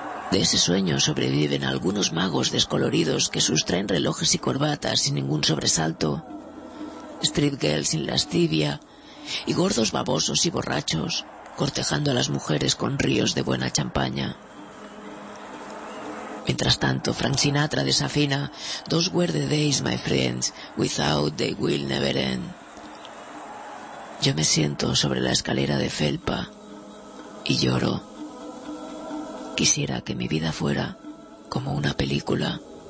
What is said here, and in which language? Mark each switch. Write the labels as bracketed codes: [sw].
[es] De ese sueño sobreviven algunos magos descoloridos que sustraen relojes y corbatas sin ningún sobresalto, street girls sin lascivia y gordos babosos y borrachos cortejando a las mujeres con ríos de buena champaña. Mientras tanto, Frank Sinatra desafina [en] "Those were the days, my friends, without they will never end". [es] Yo me siento sobre la escalera de felpa y lloro. Quisiera que mi vida fuera como una película.